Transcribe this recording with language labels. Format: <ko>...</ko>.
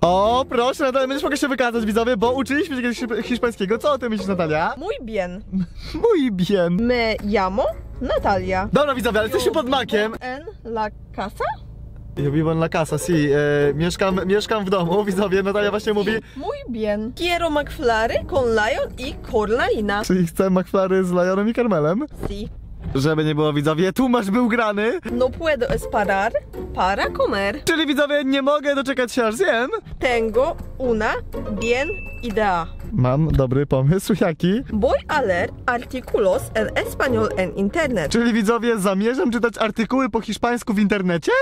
<pl>O, proszę, Natalia, będziesz mogła się wykazać, widzowie, bo uczyliśmy się kiedyś hiszpańskiego. Co o tym myślisz, Natalia?</pl> <es>Muy bien. Muy bien. Me llamo Natalia.</es> <pl>Dobra, widzowie, ale jesteśmy pod Makiem.</pl> <es>En la casa? Yo vivo en la casa, sí.</es> <pl>Mieszkam w domu, widzowie. Natalia właśnie mówi</pl> <es>muy bien. Quiero McFlurry con Lion y Carmelina.</es> <pl>Czyli chcę McFlurry z Lionem i Carmelem?</pl> <es>Sí.</es> <pl>Żeby nie było, widzowie, tłumacz był grany.</pl> <es>No puedo esperar para comer.</es> <pl>Czyli, widzowie, nie mogę doczekać się, aż zjem.</pl> <es>Tengo una bien idea.</es> <pl>Mam dobry pomysł, jaki?</pl> <es>Voy a leer artículos en español en internet.</es> <pl>Czyli, widzowie, zamierzam czytać artykuły po hiszpańsku w internecie?</pl>